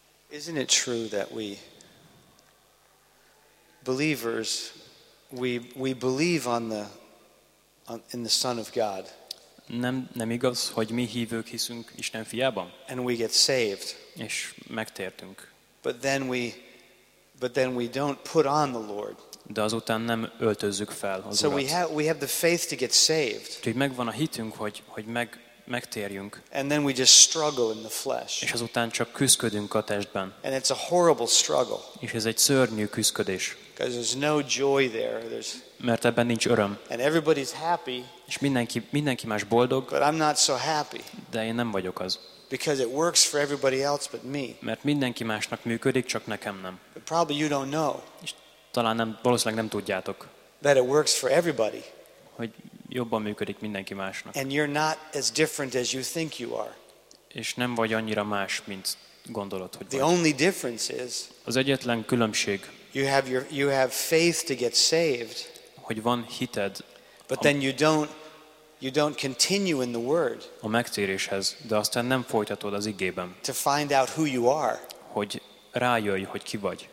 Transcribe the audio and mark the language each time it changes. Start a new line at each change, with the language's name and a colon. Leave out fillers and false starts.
English: Isn't it true that we believers we believe in the Son of God?
Hungarian: Nem igaz, hogy mi hívők hiszünk Isten fiában?
English: And we get saved.
Hungarian: És megtértünk.
English: But then we don't put on the Lord.
Hungarian: De azután nem öltözzük fel az Urat.
English: So we have the faith to get saved.
Hungarian: Úgyhogy megvan a hitünk, hogy megtérjünk.
English: And then we just struggle in the flesh.
Hungarian: És azután csak küszködünk a testben.
English: And it's a horrible struggle.
Hungarian: És ez egy szörnyű küszködés.
English: Because there's no joy there. There's...
Hungarian: Mert ebben nincs öröm.
English: And everybody's happy.
Hungarian: És mindenki más boldog.
English: But I'm not so happy.
Hungarian: De én nem vagyok az.
English: Because it works for everybody else but me.
Hungarian: Mert mindenki másnak működik, csak nekem nem.
English: But probably you don't know.
Hungarian: És talán nem, valószínűleg nem tudjátok.
English: That it works for everybody.
Hungarian: Hogy jobban működik mindenki másnak.
English: And you're not as different as you think you are.
Hungarian: És nem vagy annyira más, mint gondolod, hogy
English: the
Hungarian: vagy.
English: Only difference is
Hungarian: az egyetlen különbség.
English: You have faith to get saved.
Hungarian: Hogy van hited.
English: But then you don't continue in the word.
Hungarian: A megtéréshez, de aztán nem folytatod az igében.
English: To find out who you are.
Hungarian: Hogy rájöjj, hogy ki vagy.